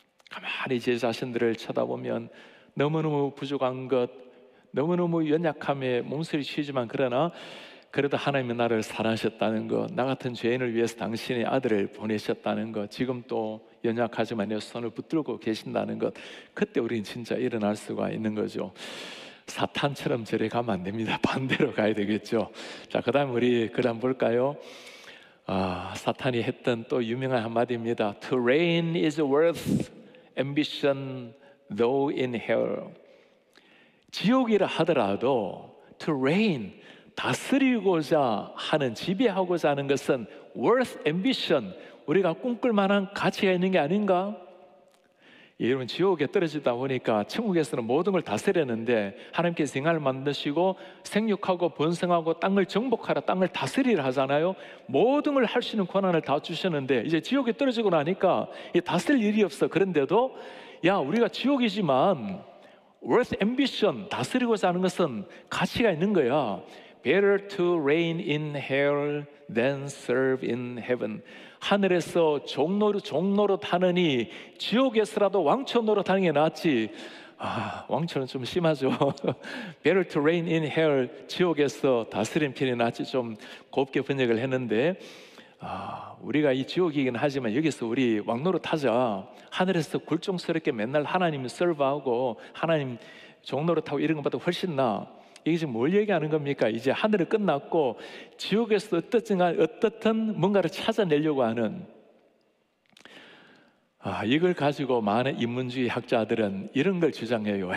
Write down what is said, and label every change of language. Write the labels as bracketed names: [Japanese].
[Korean] 가만히 제 자신들을 쳐다보면 너무너무 부족한 것, 너무너무 연약함에 몸서리 치지만 그러나 그래도 하나님이 나를 사랑하셨다는 것, 나 같은 죄인을 위해서 당신의 아들을 보내셨다는 것, 지금도 연약하지만 내 손을 붙들고 계신다는 것, 그때 우리는 진짜 일어날 수가 있는 거죠. 사탄처럼 저리 가면 안 됩니다. 반대로 가야 되겠죠. 자, 그 다음 우리 그다음 볼까요? 아, 사탄이 했던 또 유명한 한마디입니다. [English] To reign is worth ambition though in hell. [Korean] 지옥이라 하더라도 [English] to reign, [Korean] 다스리고자 하는, 지배하고자 하는 것은 [English] worth ambition, [Korean] 우리가 꿈꿀 만한 가치가 있는 게 아닌가? 여러분 지옥에 떨어지다 보니까 천국에서는 모든 걸 다스렸는데 하나님께서 인간을 만드시고 생육하고 번성하고 땅을 정복하라, 땅을 다스리라 하잖아요. 모든 걸 할 수 있는 권한을 다 주셨는데 이제 지옥에 떨어지고 나니까 다스릴 일이 없어. 그런데도 야, 우리가 지옥이지만 [English] worth ambition, [Korean] 다스리고자 하는 것은 가치가 있는 거야. [English] Better to reign in hell than serve in heaven. [Korean] 하늘에서 종노릇 하느니 지옥에서라도 왕처럼 노릇하는 게 낫지. 아, 왕처럼 좀 심하죠. [English] Better to reign in hell, [Korean] 지옥에서 다스린 편이 낫지. 좀 곱게 번역을 했는데, 아, 우리가 이 지옥이긴 하지만 여기서 우리 왕노릇하자. 하늘에서 굴종스럽게 맨날 하나님 서브하고 하나님 종노릇하고 이런 것보다 훨씬 나아. 이게 지금 뭘 얘기하는 겁니까? 이제 하늘은 끝났고 지옥에서 어떻든 뭔가를 찾아내려고 하는, 아, 이걸 가지고 많은 인문주의 학자들은 이런 걸 주장해요.